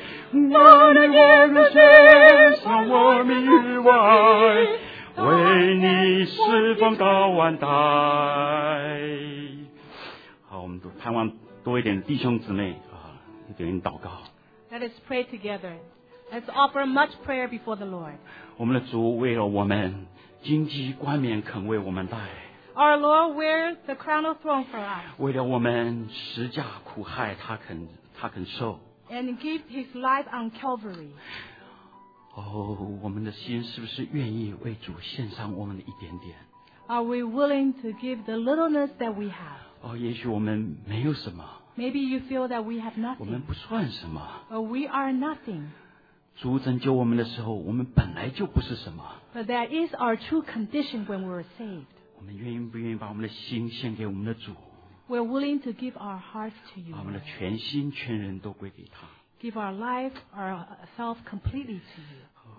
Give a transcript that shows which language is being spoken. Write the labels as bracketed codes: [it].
[zh] 我的眼泪献上我命与我爱，为你侍奉到万代。好，我们都盼望多一点弟兄姊妹啊，一点点祷告。 [en] Let us pray together. Let's offer much prayer before the Lord. [zh] 我们的主为了我们，荆棘冠冕肯为我们戴。 [en] Our Lord wears the crown of thorns for us. [zh] 为了我们十架苦害，他肯受。 [en] And give his life on Calvary. [zh] Oh, 我们的心是不是愿意为主献上我们的一点点？ [en] Are we willing to give the littleness that we have? [zh] 哦，也许我们没有什么。 [en] Maybe you feel that we have nothing. [zh] 我们不算什么。 [en] Or we are nothing. [zh] 主拯救我们的时候，我们本来就不是什么。 [en] But that is our true condition when we were saved. [zh] 我们愿意不愿意把我们的心献给我们的主？ [en] We're willing to give our hearts to you. [zh] 把我们的全心全人都归给他。 [en] Give our life, our self completely to you.